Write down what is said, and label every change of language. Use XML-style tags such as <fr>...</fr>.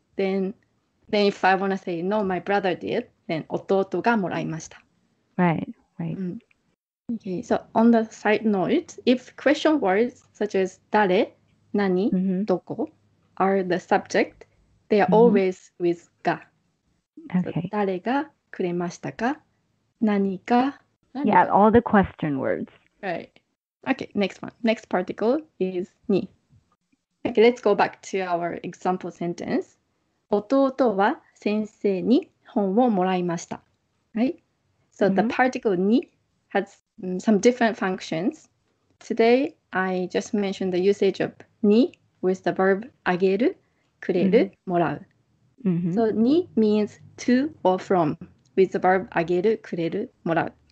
<en>Then if I want to say, no, my brother did, then</en> <ja>弟がもらいました.</ja> <en>Right. Right. Mm. Okay. So on the side note, if question words such as 誰, 何, mm-hmm. どこ are the subject, they are mm-hmm. always with が. Okay.</en> <ja>So 誰がくれましたか? 何が?</ja> <en>Yeah, all the question words. Right. Okay, next one. Next particle is ni. Okay, let's go back to our example sentence.</en> <ja>弟は先生に本をもらいました.</ja> <en>Right? So mm-hmm. the particle ni has some different functions. Today, I just mentioned the usage of ni with the verb ageru, kureru, morau. So ni means to or from with the verb ageru, kureru, morau.</en>